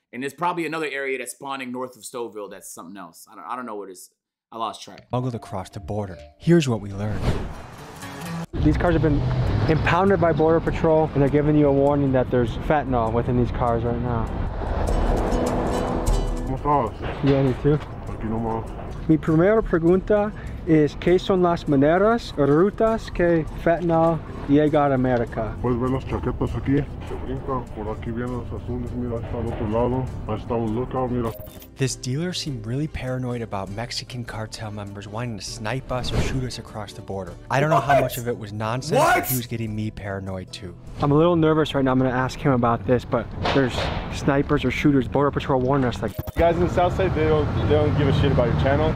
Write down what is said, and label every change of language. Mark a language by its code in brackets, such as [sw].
[en] And there's probably another area that's spawning north of Stouffville that's something else. I don't know what it is. I lost track. Smuggled across the border. Here's what we learned. These cars have been impounded by Border Patrol, and they're giving you a warning that there's fentanyl within these cars right now. Yeah, me too. [es] Aquí nomás. Mi primera pregunta es, ¿qué son las maneras, rutas que fentanyl llega a América? Puedes ver las chaquetas aquí, se brinca, por aquí vienen los azules, mira, está al otro lado, ahí está un lookout, mira. [en] This dealer seemed really paranoid about Mexican cartel members wanting to snipe us or shoot us across the border. I don't know how much of it was nonsense, but he was getting me paranoid too. I'm a little nervous right now. I'm going to ask him about this, but there's snipers or shooters. Border Patrol warned us. Like, guys in the South Side, they don't give a shit about your channel.